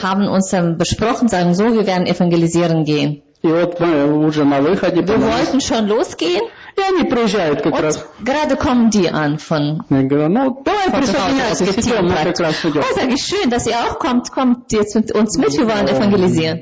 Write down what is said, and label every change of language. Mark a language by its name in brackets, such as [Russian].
[German] Haben uns dann besprochen, sagen so, wir werden evangelisieren gehen. [Russian] И вот мы уже на выходе. [German] Wir wollten schon losgehen. [Russian] И они приезжают как [German] und [Russian] раз. [German] Gerade kommen die an von. [Russian] Я говорю, ну давай присоединяйтесь. [German] Oh, sag ich schön, dass ihr auch kommt. Kommt jetzt mit uns mit, wir wollen evangelisieren.